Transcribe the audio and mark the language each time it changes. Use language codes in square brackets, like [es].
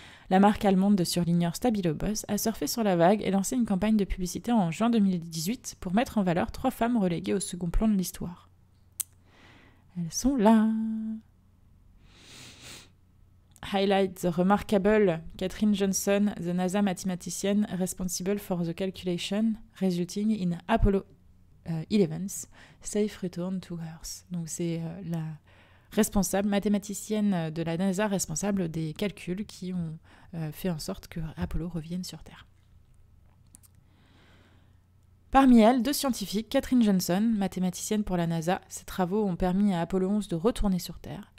[fr] La marque allemande de surligneurs Stabilobus a surfé sur la vague et lancé une campagne de publicité en juin 2018 pour mettre en valeur trois femmes reléguées au second plan de l'histoire. Elles sont là. [en] Highlight the remarkable Catherine Johnson, the NASA mathematician responsible for the calculation resulting in Apollo 11's safe return to Earth. [fr] Donc c'est la responsable mathématicienne de la NASA responsable des calculs qui ont fait en sorte que Apollo revienne sur Terre. Parmi elles, deux scientifiques, Katherine Johnson, mathématicienne pour la NASA, ses travaux ont permis à Apollo 11 de retourner sur Terre.